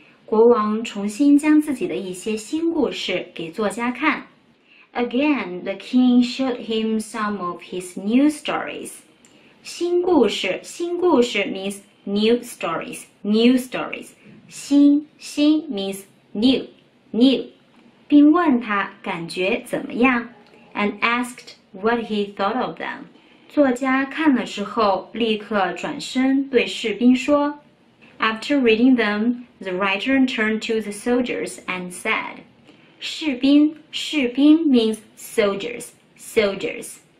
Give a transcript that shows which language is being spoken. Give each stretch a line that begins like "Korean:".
Chinese: 国王重新将自己的一些新故事给作家看。
English: Again, the king showed him some of his new stories.
Chinese: 新故事
English: means new stories. 新 means new.
Chinese: 并问他感觉怎么样
English: and asked what he thought of them.
Chinese: 作家看了之后立刻转身对士兵说。
English: After reading them, the writer turned to the soldiers and said, 士兵 means soldiers.